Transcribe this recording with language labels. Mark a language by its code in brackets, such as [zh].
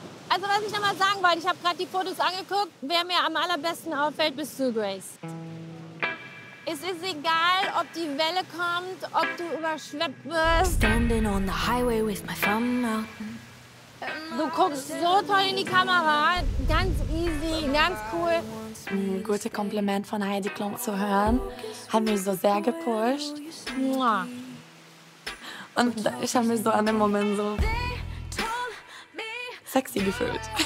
[de] Also was ich nochmal sagen wollte, ich habe gerade die Fotos angeguckt. Wer mir am allerbesten auffällt, bist du, Grace. Es ist egal, ob die Welle kommt, ob du überschwemmt wirst. [en] Standing on the highway with my thumb out. [de] Du guckst so toll in die Kamera. Ganz easy, ganz cool. Ein gutes Kompliment von Heidi Klum zu hören. Hat mich so sehr gepusht. Und ich habe mich so an dem Moment so sexy gefühlt.